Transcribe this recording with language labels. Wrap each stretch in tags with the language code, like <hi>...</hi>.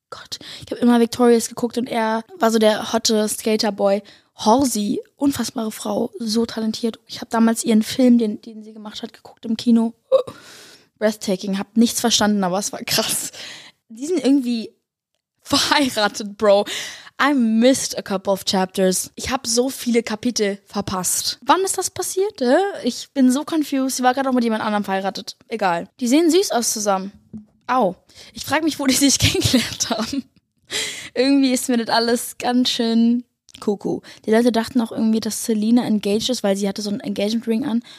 <de>Gott, ich habe immer Victorious geguckt und er war so der hotte Skaterboy. Halsey, unfassbare Frau, so talentiert. Ich habe damals ihren Film, den sie gemacht hat, geguckt im Kino. Breathtaking, habe nichts verstanden, aber es war krass. Die sind irgendwie verheiratet, Bro.</de> <en>I missed a couple of chapters.</en> <de>Ich habe so viele Kapitel verpasst. Wann ist das passiert? Ich bin so confused. Sie war gerade auch mit jemand anderem verheiratet. Egal. Die sehen süß aus zusammen. Au. Ich frage mich, wo die sich kennengelernt haben. Irgendwie ist mir das alles ganz schön... Kuku. Die Leute dachten auch irgendwie, dass Selena engaged ist, weil sie hatte so einen Engagement Ring an.</de>